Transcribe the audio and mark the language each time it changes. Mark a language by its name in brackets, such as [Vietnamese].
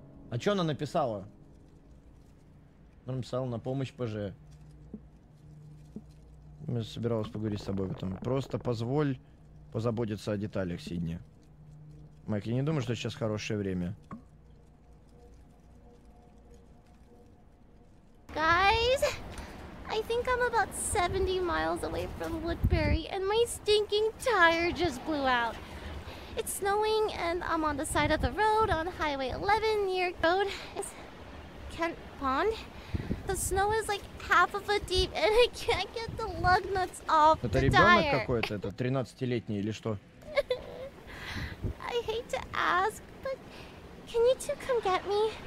[Russian] А чё она написала? Она написала на помощь ПЖ. Я собиралась поговорить с тобой об этом. Просто позволь позаботиться о деталях, Сидни. Майк, я не думаю, что сейчас хорошее время. [English] Guys, I think I'm about 70 miles away from Woodbury, and my stinking tire just blew out. It's snowing, and I'm on the side of the road on Highway 11 near Road. It's Kent Pond. The snow is like half a foot deep, and I can't get the lug nuts off the tire. [Russian] Это ребенок какой-то, это 13-летний или что? [English] I hate to ask, but can you two come get me?